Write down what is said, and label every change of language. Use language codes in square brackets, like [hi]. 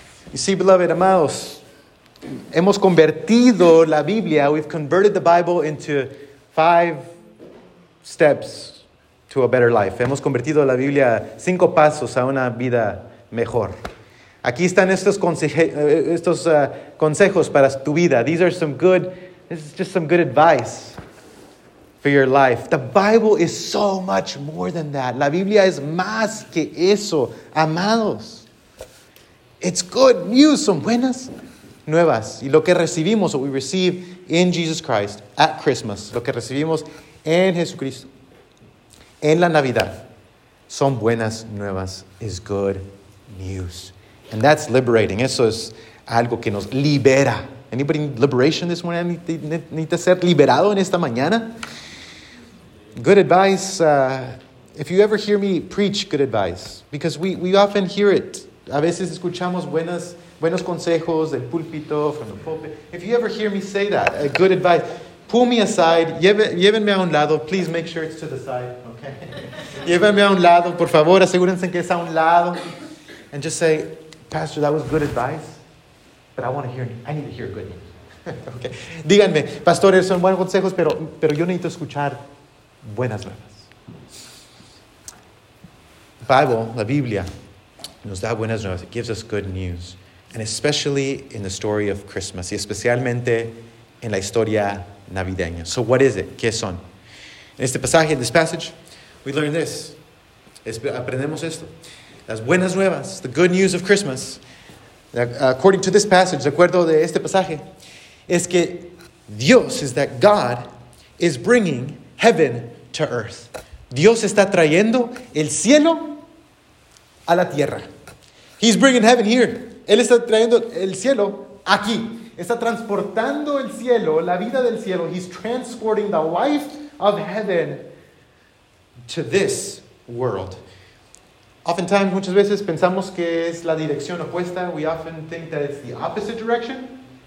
[en] You see, beloved, [es] amados, hemos convertido la Biblia, [en] we've converted the Bible into five steps to a better life. [es] Hemos convertido la Biblia cinco pasos a una vida mejor. Aquí están estos consejos para tu vida. [en] This is just some good advice for your life. The Bible is so much more than that. [es] La Biblia es más que eso, amados. [en] It's good news, [es] son buenas nuevas. Y lo que recibimos, [en] what we receive in Jesus Christ at Christmas, [es] lo que recibimos en Jesucristo, en la Navidad, son buenas nuevas, [en] is good news. And that's liberating. [es] Eso es algo que nos libera. [en] Anybody need liberation this morning? [es] ¿Necesita ser liberado en esta mañana? [en] Good advice. If you ever hear me preach good advice, because we often hear it. [es] A veces escuchamos buenos consejos del púlpito, [en] from the pulpit. If you ever hear me say that, a good advice, pull me aside, [es] llévenme a un lado, [en] please make sure it's to the side, okay? [es] Llévenme a un lado, por favor, asegúrense que es a un lado. [en] And just say, Pastor, that was good advice, but I need to hear good news. Okay. [es] Díganme, Pastor, son buenos consejos, pero yo necesito escuchar buenas nuevas. La Biblia. Nos da buenas nuevas. [en] It gives us good news. And especially in the story of Christmas. [es] Y especialmente en la historia navideña. [en] So what is it? [es] ¿Qué son? En este pasaje, [en] in this passage, we learn this. [es] Aprendemos esto. Las buenas nuevas, [en] the good news of Christmas. According to this passage, [es] de acuerdo de este pasaje, es que Dios, [en] is that God, is bringing heaven to earth. [es] Dios está trayendo el cielo a la tierra. [en] He's bringing heaven here. [es] Él está trayendo el cielo aquí. Está transportando el cielo, la vida del cielo. [en] He's transporting the life of heaven to this world. Oftentimes, [es] muchas veces pensamos que es la dirección opuesta. [en] We often think that it's the opposite direction.